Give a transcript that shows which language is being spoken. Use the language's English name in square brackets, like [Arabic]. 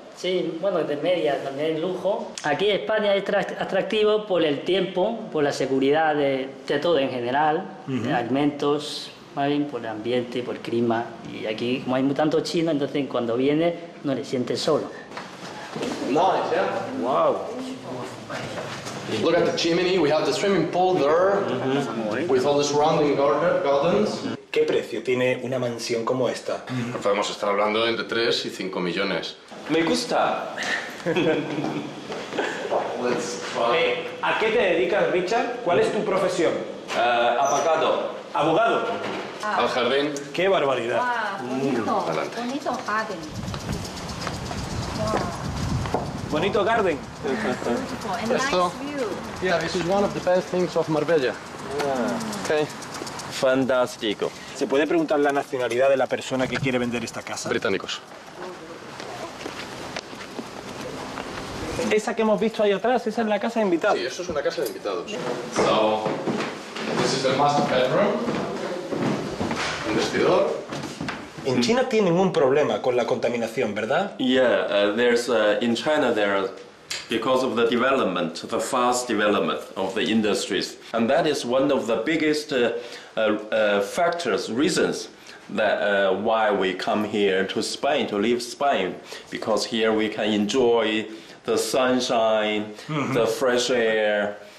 [Spanish] Sí, bueno, de media, también de lujo. Aquí en España es atractivo por el tiempo, por la seguridad de todo en general, uh-huh, de alimentos, por el ambiente, por el clima, y aquí como hay tanto chino, entonces cuando viene no le sientes solo. [English] Nice, yeah. Wow. Look at the chimney, we have the swimming pool there, mm-hmm, with all the surrounding gardens. [Spanish] ¿Qué precio tiene una mansión como esta? Mm-hmm. Podemos estar hablando entre 3 y 5 millones. Me gusta. [English] Let's try. [Spanish] ¿A qué te dedicas, Richard? ¿Cuál es tu profesión? Abogado. ¿Abogado? Ah. Al jardín. ¡Qué barbaridad! Wow, bonito, mm, adelante. Bonito jardín. [English] Wow. Bonito garden. Beautiful. And esto, nice view. Yeah, this is one of the best things of Marbella. Yeah. Okay. [Spanish] Fantástico. ¿Se puede preguntar la nacionalidad de la persona que quiere vender esta casa? Británicos. ¿Esa que hemos visto ahí atrás, esa es la casa de invitados? Sí, eso es una casa de invitados. [English] Yeah. So, this is the master bedroom. [Spanish] Un vestidor. En China tienen un problema con la contaminación, ¿verdad? [English] Yeah, there's in China there because of the development, the fast development of the industries, and that is one of the biggest factors, reasons that why we come here to Spain, to leave Spain, because here we can enjoy the sunshine, mm-hmm, the fresh air.